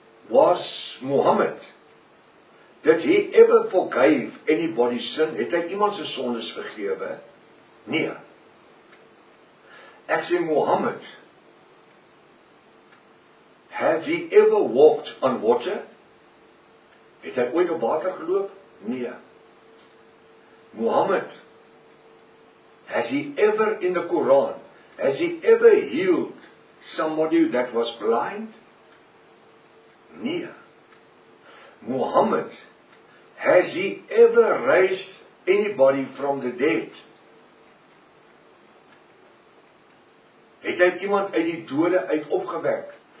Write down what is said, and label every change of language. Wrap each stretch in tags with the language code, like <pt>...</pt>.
<en>Was Mohammed, did he ever forgive anybody's sin?</en> <af>Het hy iemand se sondes vergewe? Nee. Ek sê Mohammed</af> <en>Have he ever walked on water?</en> <af>Het hy ooit op water geloop? Nee.</af> <en>Mohammed, has he ever in the Quran, has he ever healed somebody that was blind?</en> <af>Nee.</af> <en>Mohammed, has he ever raised anybody from the dead?</en> <af>Het hy iemand uit die dode uit opgewek?</af>